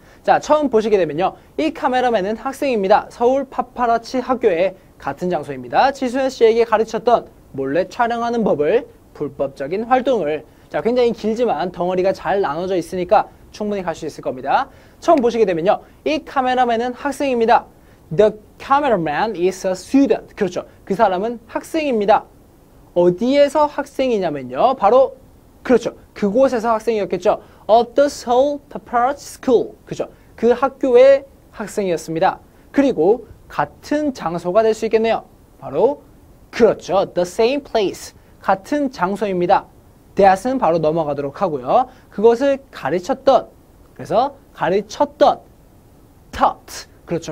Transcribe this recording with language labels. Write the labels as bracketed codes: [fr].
[ko] 자, 처음 보시게 되면요. 이 카메라맨은 학생입니다. 서울 파파라치 학교의 같은 장소입니다. 지수현 씨에게 가르쳤던 몰래 촬영하는 법을, 불법적인 활동을. 자, 굉장히 길지만 덩어리가 잘 나눠져 있으니까 충분히 갈 수 있을 겁니다. 처음 보시게 되면요. 이 카메라맨은 학생입니다. [en] The cameraman is a student. [ko] 그렇죠. 그 사람은 학생입니다. 어디에서 학생이냐면요. 바로, 그렇죠. 그곳에서 학생이었겠죠. [en] At the Seoul Preparatory School. [ko] 그렇죠. 그 학교의 학생이었습니다. 그리고 같은 장소가 될 수 있겠네요. 바로, 그렇죠. [en] The same place. [ko] 같은 장소입니다. That은 바로 넘어가도록 하고요. 그것을 가르쳤던, 그래서 가르쳤던, taught. 그렇죠.